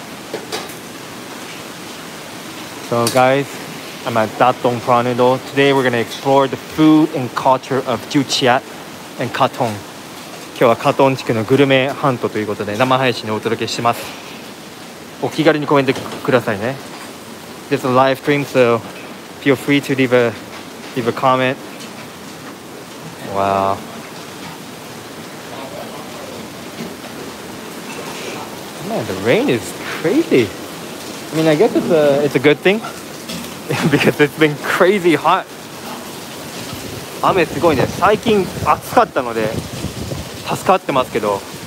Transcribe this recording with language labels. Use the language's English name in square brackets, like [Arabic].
[English] So guys, I'm at Katong Prawn Noodle. Today we're going to explore the food and culture of Joo Chiat and Katong. [Japanese] 今日はカトン地区のグルメハントということで生配信をお届けします。お気軽にコメントくださいね。 [English] This is a live stream, so feel free to leave a commentWow. Man, the rain is crazy. I mean, I guess it's a good thing because it's been crazy hot. [Japanese] 雨すごいね。最近暑かったので助かってますけど。